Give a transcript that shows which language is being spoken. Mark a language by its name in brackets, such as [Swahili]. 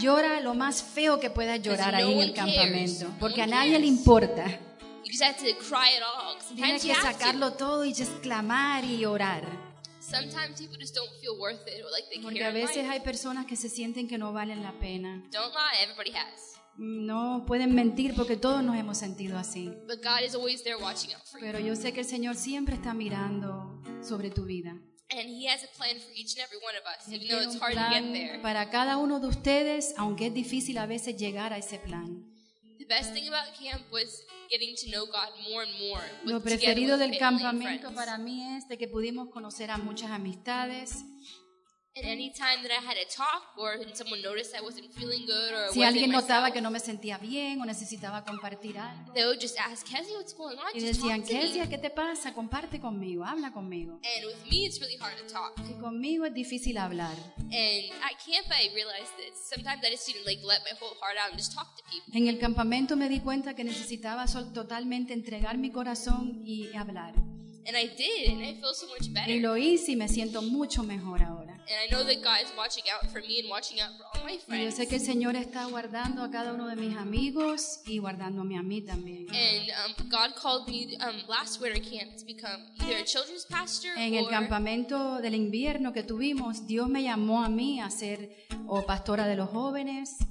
[Spanish] Llora lo más feo que puedas llorar ahí en el campamento. Porque a nadie le importa. [English] You just have to cry it all. Sometimes [Spanish] Tienes que sacarlo todo y just clamar y orar. [English] Sometimes people just don't feel worth it or like they care. [Spanish] Porque a veces hay personas que se sienten que no valen la pena. [English] Don't lie, everybody has. [Spanish] No pueden mentir porque todos nos hemos sentido así. [English] But God is always there watching out for you. [Spanish] Pero yo sé que el Señor siempre está mirando sobre tu vida. [English] And He has a plan for each and every one of us, even though it's hard to get there. [Spanish] Para cada uno de ustedes, aunque es difícil a veces llegar a ese plan. [English] The best thing about camp was getting to know God more and more. [Spanish] Lo preferido del campamento para mí es de que pudimos conocer a muchas amistades. [English] At any time that I had a talk or someone noticed I wasn't feeling good or [Spanish] si alguien notaba que no me sentía bien o necesitaba compartir algo, [English] they would just ask Kezia what's going on. [Spanish] Y decían, Kezia, ¿qué te pasa? Comparte conmigo, habla conmigo. [English] And with me, it's really hard to talk. [Spanish] Y conmigo es difícil hablar. [English] And at camp, I realized that sometimes I just didn't like let my whole heart out and just talk to people. [Spanish] En el campamento me di cuenta que necesitaba totalmente entregar mi corazón y hablar. [English] And I did, and I feel so much better. [Spanish] Y lo hice y me siento mucho mejor ahora. [English] And I know that God is watching out for me and watching out for all my friends. [Spanish] Yo sé que el Señor está guardando a cada uno de mis amigos y guardándome a mí también. [English] And God called me last winter camp to become either a children's pastor or [Spanish] En el campamento del invierno que tuvimos, Dios me llamó a mí a ser o pastora de los jóvenes.